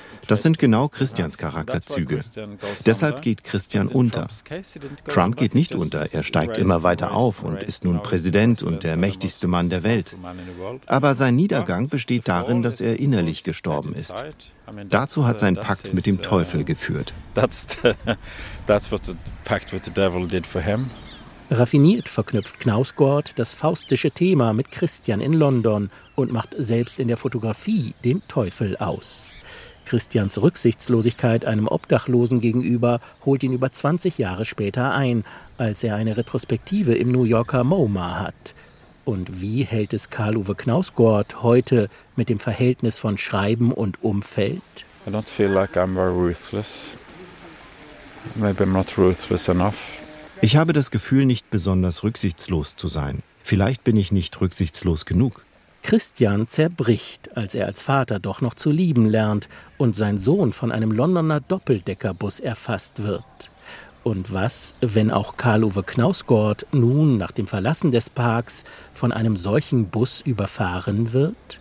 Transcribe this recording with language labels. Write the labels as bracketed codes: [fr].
[de] Das sind genau Christians Charakterzüge. Deshalb geht Christian unter. Trump geht nicht unter, er steigt immer weiter auf und ist nun Präsident und der mächtigste Mann der Welt. Aber sein Niedergang besteht darin, dass er innerlich gestorben ist. Dazu hat sein Pakt mit dem Teufel geführt. [en] That's what the pact with the devil did for him. [de] Raffiniert verknüpft Knausgård das faustische Thema mit Christian in London und macht selbst in der Fotografie den Teufel aus. Christians Rücksichtslosigkeit einem Obdachlosen gegenüber holt ihn über 20 Jahre später ein, als er eine Retrospektive im New Yorker MoMA hat. Und wie hält es Karl-Uwe Knausgård heute mit dem Verhältnis von Schreiben und Umfeld? [en] I don't feel like I'm very ruthless. Maybe I'm not ruthless enough. [de] Ich habe das Gefühl, nicht besonders rücksichtslos zu sein. Vielleicht bin ich nicht rücksichtslos genug. Christian zerbricht, als er als Vater doch noch zu lieben lernt und sein Sohn von einem Londoner Doppeldeckerbus erfasst wird. Und was, wenn auch Karl-Uwe Knausgård nun nach dem Verlassen des Parks von einem solchen Bus überfahren wird?